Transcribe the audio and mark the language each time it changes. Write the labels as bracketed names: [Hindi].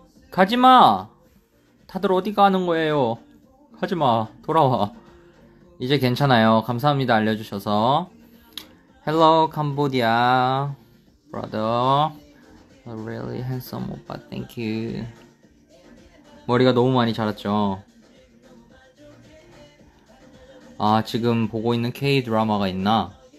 [Korean] 가지마! 다들 어디 가는 거예요? 가지마, 돌아와. 이제 괜찮아요. 감사합니다, 알려주셔서. [English] Hello, Cambodia. Brother. A really handsome 오빠, thank you. [Korean] 머리가 너무 많이 자랐죠? 아, 지금 보고 있는 K-드라마가 있나?